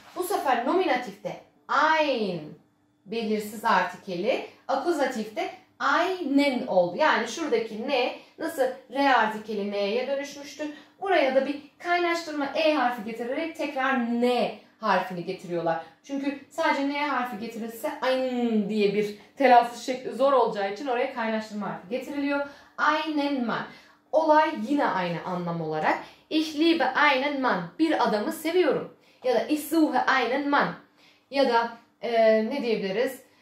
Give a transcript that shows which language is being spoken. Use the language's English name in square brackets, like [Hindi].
[Turkish] Bu sefer nominativde ein belirsiz artikeli, akuzatifte einen oldu. Yani şuradaki ne nasıl re artikeli ne'ye dönüşmüştü? Buraya da bir kaynaştırma e harfi getirerek tekrar ne harfini getiriyorlar. Çünkü sadece ne harfi getirirse ein diye bir telaffuz şekli zor olacağı için oraya kaynaştırma harfi getiriliyor. Einen Mann. Olay yine aynı anlam olarak. [German] Ich liebe einen Mann. [Turkish] Bir adamı seviyorum. Ya da [German] ich suche einen Mann. [Turkish] Ya da ne diyebiliriz?